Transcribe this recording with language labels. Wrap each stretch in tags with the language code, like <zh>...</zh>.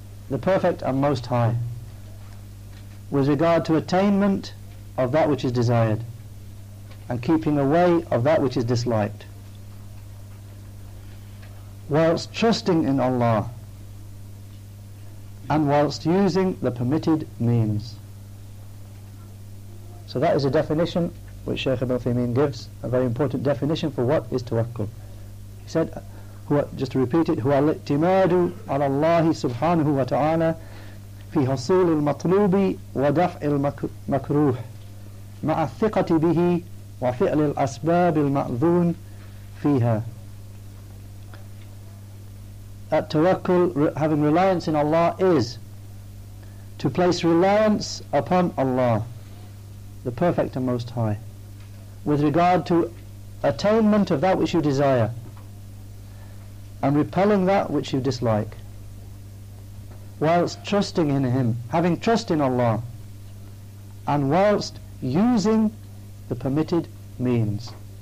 <en>the perfect and most high, with regard to attainment of that which is desired, and keeping away of that which is disliked, whilst trusting in Allah, and whilst using the permitted means. So that is a definition which Shaykh Ibn Uthaymeen gives, a very important definition for what is tawakkul. He said, just to repeat it,</en> <ar>هو الاعتماد على الله سبحانه وتعالى في حصول المطلوب ودفع المكروه مع الثقة به وفعل الأسباب المأذون فيها.</ar> <en>At tawakkul, having reliance in Allah, is to place reliance upon Allah, the perfect and most high, with regard to attainment of that which you desire and repelling that which you dislike, whilst trusting in Him, having trust in Allah, and whilst using the permitted means.</en>